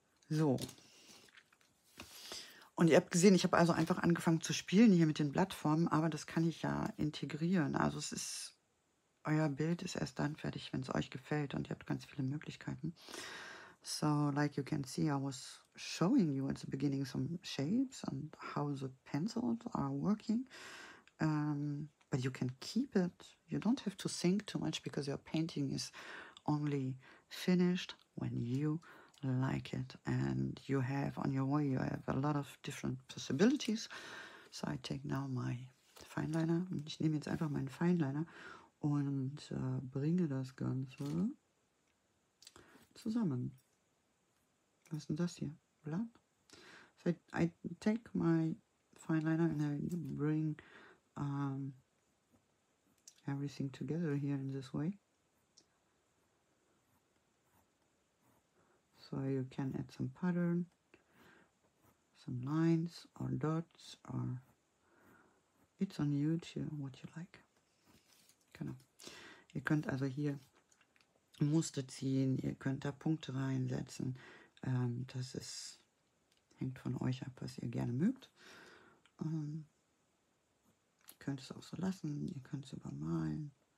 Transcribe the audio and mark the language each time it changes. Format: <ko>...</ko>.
<de>So. Und ihr habt gesehen, ich habe also einfach angefangen zu spielen hier mit den Plattformen, aber das kann ich ja integrieren. Also es ist, euer Bild ist erst dann fertig, wenn es euch gefällt und ihr habt ganz viele Möglichkeiten.</de> <en>So, like you can see, I was showing you at the beginning some shapes and how the pencils are working. But you can keep it. You don't have to think too much because your painting is only finished when you like it. And you have on your way, you have a lot of different possibilities. So I take now my fineliner.</en> <de>Ich nehme jetzt einfach meinen Fineliner und bringe das Ganze zusammen. Was ist denn das hier? Blatt?</de> <en>So I take my fineliner and I bring everything together here in this way. So you can add some pattern, some lines or dots or it's on you to what you like.</en> <de>Genau. Ihr könnt also hier Muster ziehen, ihr könnt da Punkte reinsetzen. Das ist, hängt von euch ab, was ihr gerne mögt. Ihr könnt es auch so lassen, ihr könnt es übermalen.</de>